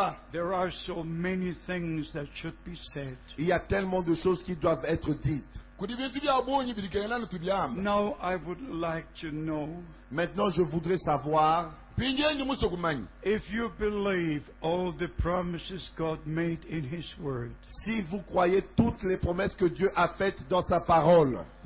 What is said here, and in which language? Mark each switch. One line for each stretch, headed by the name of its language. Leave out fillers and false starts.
English: there are so many things that should be said.
French: Il y a tellement de choses qui doivent être dites.
English: Now I would like to know,
French: maintenant je voudrais savoir,
English: if you believe all the promises God made in His Word,
French: si vous croyez toutes les promesses que Dieu a faites dans sa parole,